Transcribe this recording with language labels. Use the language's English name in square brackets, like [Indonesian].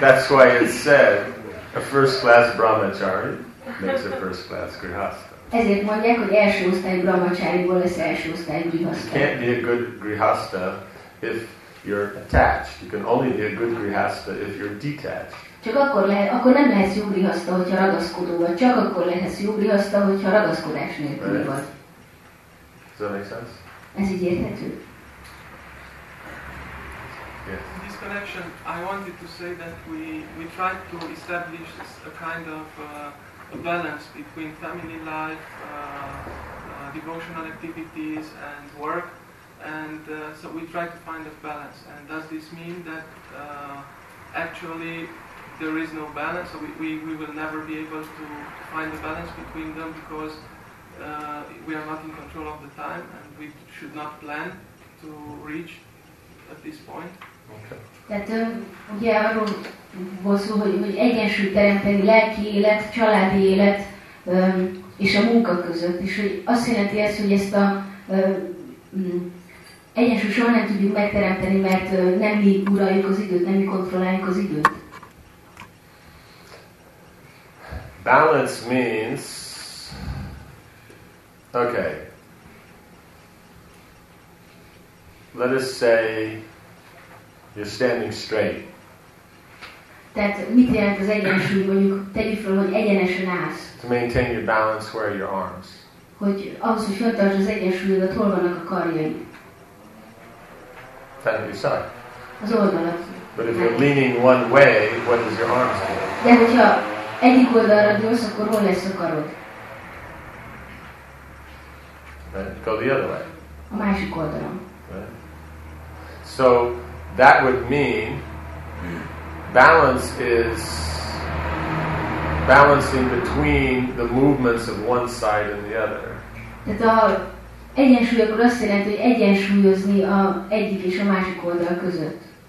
[English] That's why it's said a first-class brahmachari makes a first-class grihastha. [Hungarian] Ezért mondják, hogy első osztályú brahmacháriból lesz első osztályú grihasta. [English] You can't be a good grihasta if you're attached. You can only be a good grihasta if you're detached. [Hungarian] Csak akkor lehet, akkor nem lehet jó grihasta, hogyha ragaszkodó vagy. Csak akkor lehet jó grihasta, hogyha ragaszkodás nélkül vagy. [English] Does that make sense? [Hungarian] Ez így érthető. [English] Yes. In this connection, I wanted to say that we tried to establish a kind of a balance between family life, devotional activities, and work. And so we tried to find a balance. And does this mean that actually there is no balance? So we will never be able to find a balance between them because we are not in control of the time and we should not plan to reach at this point. Okay. [Hungarian] Tehát ugye arról volt szó, hogy egyensúlyt teremteni lelki élet, családi élet és a munka között. És hogy azt jelenti ez, hogy ezt a egyensúlyt soha nem tudjuk megteremteni, mert nem mi uraljuk az időt, nem mi kontrolláljuk az időt. [English] Balance means... Okay. Let us say... You're standing straight. [Hungarian] Tehát mit jelent az egyensúly, mondjuk tegyük fel, hogy egyenesen állsz. [English] To maintain your balance, where are your arms? [Hungarian] Hogy ahhoz, hogy föltartsd az egyensúlyodat, hol vannak a karjai? Tehát a [English] side. [Hungarian] Az oldalat. [English] But if you're leaning one way, what does your arms do? [Hungarian] De hogyha egyik oldalra dőlsz, akkor hol lesz a karod? [English] Right. Go the other way. [Hungarian] A másik oldalon. [English] Right. So, that would mean balance is balancing between the movements of one side and the other. [Hungarian] Tehát a egyensúly akkor azt jelenti, hogy egyensúlyozni a egyik és a másik oldal között.